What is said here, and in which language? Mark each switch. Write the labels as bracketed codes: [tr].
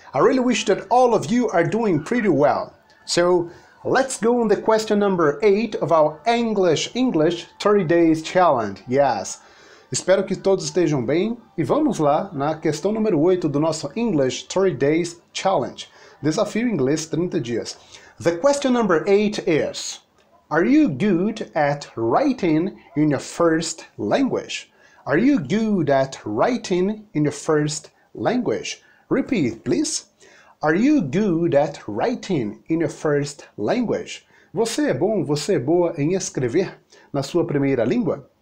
[en] I really wish that all of you are doing pretty well. So, let's go on the question number 8 of our English 30 Days Challenge. [pt] Yes. Espero que todos estejam bem. E vamos lá na questão número 8 do nosso English 30 Days Challenge. Desafio inglês 30 dias. [en] The question number 8 is, are you good at writing in your first language? Are you good at writing in your first language? Repeat, please. Are you good at writing in your first language? [pt] Você é bom, você é boa em escrever na sua primeira língua?